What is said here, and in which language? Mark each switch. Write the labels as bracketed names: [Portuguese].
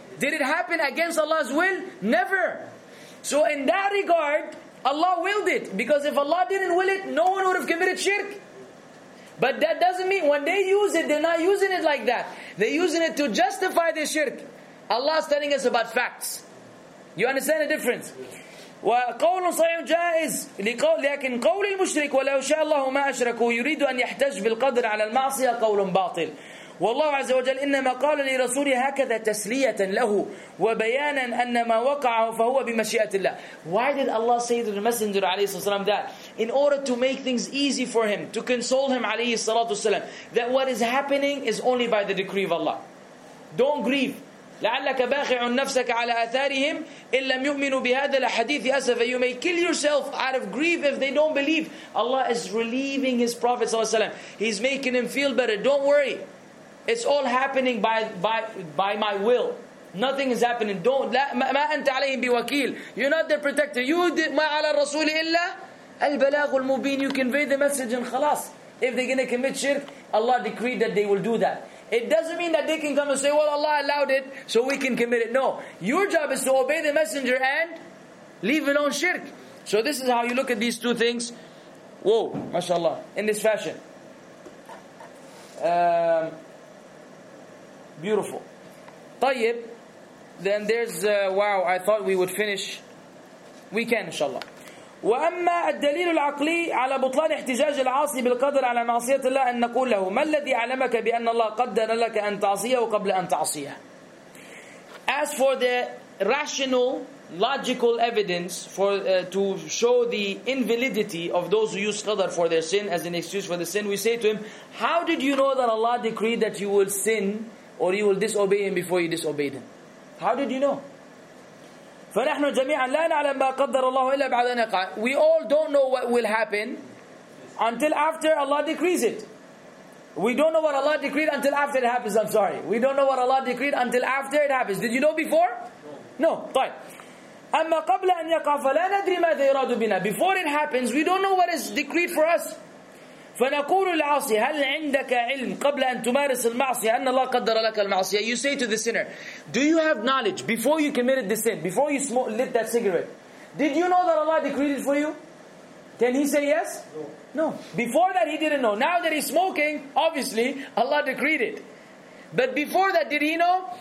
[English] Did it happen against Allah's will? Never. So in that regard, Allah willed it. Because if Allah didn't will it, no one would have committed shirk. But that doesn't mean when they use it, they're not using it like that. They're using it to justify the shirk. Allah is telling us about facts. You understand the difference? [Arabic] وقول صحيح جائز لقول لكن قول المشرك ولو شاء الله ما أشركوا يريد أن يحتج بالقدر على المعصية قول باطل والله عز وجل إنما قال لرسوله هكذا تسلية له وبيانا أن ما وقع فهو بمشيئة الله. [English] Why did Allah say to the Messenger [Arabic] عليه الصلاة والسلام [English] that in order to make things easy for him, to console him عليه الصلاة والسلام, that what is happening is only by the decree of Allah. Don't grieve. [Arabic] لعلك باخع نفسك على أثارهم إن لم يؤمنوا بهذا الحديث أسف. [English] You may kill yourself out of grief if they don't believe. Allah is relieving His Prophet [Arabic] صلى الله عليه وسلم. [English] He's making him feel better. Don't worry. It's all happening by my will. Nothing is happening. Don't. [Arabic] ما أنت عليهم بوكيل. [English] You're not their protector. You did [Arabic] ما على الرسول إلا البلاغ المبين. [English] You convey the message and خلاص. If they're going to commit shirk, Allah decreed that they will do that. It doesn't mean that they can come and say, well, Allah allowed it, so we can commit it. No. Your job is to obey the messenger and leave alone shirk. So this is how you look at these two things. Whoa, mashallah, in this fashion. Beautiful. Tayyib. Then there's, wow, I thought we would finish. We can, inshallah. [Arabic] وأما الدليل العقلي على بطلان احتجاج العاصي بالقدر على معصية الله أن نقول له ما الذي علمك بأن الله قدر لك أن تعصيه قبل أن تعصيه. [English] As for the rational, logical evidence for to show the invalidity of those who use qadr for their sin as an excuse for the sin, we say to him, how did you know that Allah decreed that you will sin or you will disobey Him before you disobeyed Him? How did you know? [Arabic] فنحن جميعا لا نعلم ما قدر الله إلا بعد أن يقع. [English] We all don't know what will happen until after Allah decrees it. We don't know what Allah decreed until after it happens. I'm sorry. We don't know what Allah decreed until after it happens. Did you know before? No. [Arabic] طيب. أما قبل أن يقع فلا ندري ماذا يراد بنا. [English] Before it happens, we don't know what is decreed for us. [Arabic] فنقول للعاصي هل عندك علم قبل أن تمارس المعصية أن الله قدر لك المعصية. [English] You say to the sinner, do you have knowledge before you committed the sin, before you lit that cigarette, did you know that Allah decreed it for you? Can he say yes? No. Before that he didn't know. Now that he's smoking, obviously Allah decreed it. But before that, did he know?